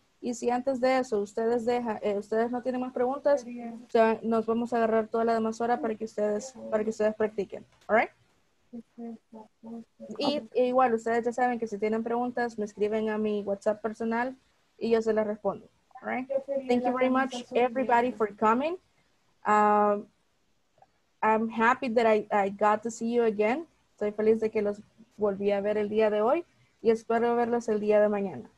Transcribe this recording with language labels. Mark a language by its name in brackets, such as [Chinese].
[Spanish] Y si antes de eso ustedes no tienen más preguntas, o sea, nos vamos a agarrar toda la demás hora para que ustedes practiquen. [English] All right? [Spanish] Y igual, ustedes ya saben que si tienen preguntas, me escriben a mi WhatsApp personal y yo se las respondo. [English] All right. Thank you very much, everybody, for coming. I'm happy that I got to see you again. [Spanish] Estoy feliz de que los volví a ver el día de hoy y espero verlos el día de mañana.